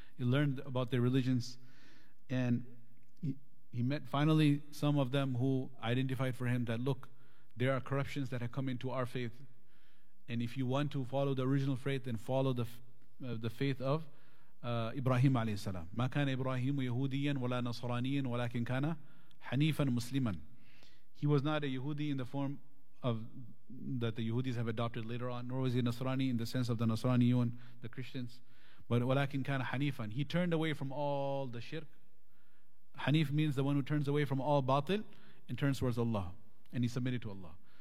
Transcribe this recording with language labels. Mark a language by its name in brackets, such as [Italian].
[English] He learned about their religions, and he met finally some of them who identified for him that, look, there are corruptions that have come into our faith, and if you want to follow the original faith, then follow the faith of Ibrahim alayhi salam. [Arabic] ما كان إبراهيم يهوديًا ولا نصرانيًا ولكن كان حنيفًا مسلمًا. [English] He was not a Yahudi in the form of that the Yahudis have adopted later on, nor was he Nasrani in the sense of the Nasraniyun, the Christians. But [Arabic] ولكن كان حنيفًا. [English] He turned away from all the shirk. Hanif means the one who turns away from all batil and turns towards Allah, and he submitted to Allah.